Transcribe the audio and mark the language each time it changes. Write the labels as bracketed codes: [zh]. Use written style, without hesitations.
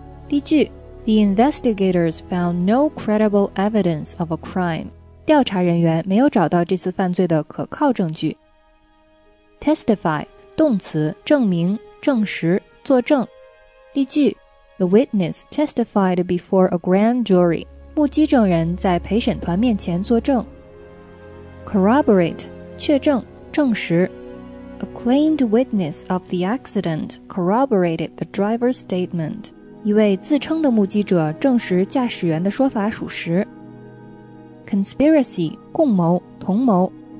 [zh] 例句 [en] ,The investigators found no credible evidence of a crime. [zh] 调查人员没有找到这次犯罪的可靠证据。 Testify, 动词,证明、证实、作证。例句 [en] ,The witness testified before a grand jury. [zh] 目击证人在陪审团面前作证。 Corroborate, 确证、证实。 [en] A claimed witness of the accident corroborated the driver's statement. [zh] 一位自称的目击者证实驾驶员的说法属实。 Conspiracy, 共谋、同谋。